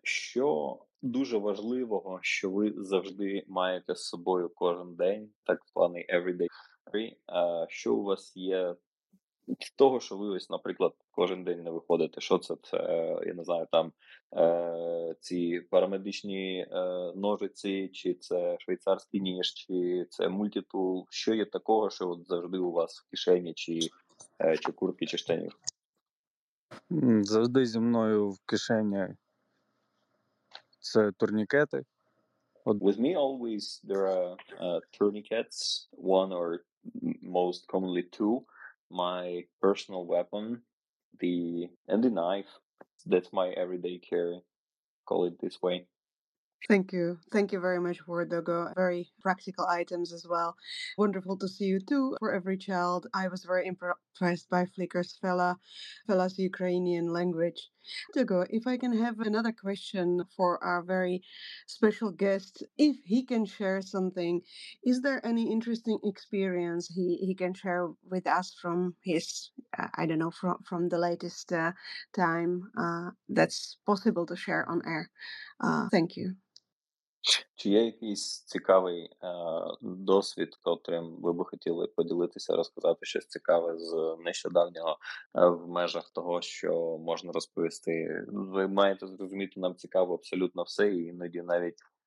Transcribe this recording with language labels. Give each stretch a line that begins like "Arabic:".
Ukrainian: Що дуже важливого, що ви завжди маєте з собою кожен день, так званий everyday carry, що у вас є з того, що ви ось, наприклад, кожен день не виходите, що це, я не знаю, там ці парамедичні ножиці, чи це швейцарський ніж, чи це мультитул, що є такого, що от завжди у вас в кишені, чи куртки, чи штанів? Завжди зі мною в кишені це турнікети.
English: With me always there are tourniquets, one or most commonly two. My personal weapon, and the knife, that's my everyday carry, call it this way. Thank you very much, Wardogo. Very practical items as well. Wonderful to see you too. For every child, I was very impressed by Flickr's fella's Ukrainian language. Wardogo, if I can have another question for our very special guest, if he can share something, is there any interesting experience he can share with us from his, I don't know, from the latest time that's possible to share on air? Thank you.
Ukrainian: Чи є якийсь цікавий досвід, котрим ви би хотіли поділитися, розказати щось цікаве з нещодавнього в межах того, що можна розповісти? Ви маєте зрозуміти, нам цікаво абсолютно все, і іноді навіть...